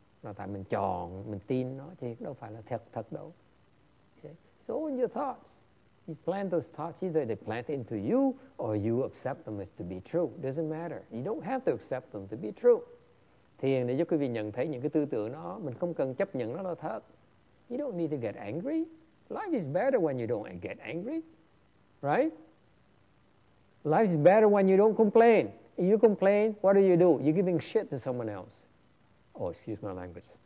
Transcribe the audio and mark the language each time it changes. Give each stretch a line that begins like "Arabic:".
Vietnamese: Là tại mình chọn, mình tin nó thì đâu phải là thật đâu.
English: So in your thoughts. You plant those thoughts, either they plant into you or you accept them as to be true. Doesn't matter. You don't have to accept them to be true.
Vietnamese: Thiền để cho quý vị nhận thấy những cái tư tưởng đó, mình không cần chấp nhận nó là thật.
English: You don't need to get angry. Life is better when you don't get angry. Right? Life is better when you don't complain. If you complain, what do? You're giving shit to someone else. Oh, excuse my language.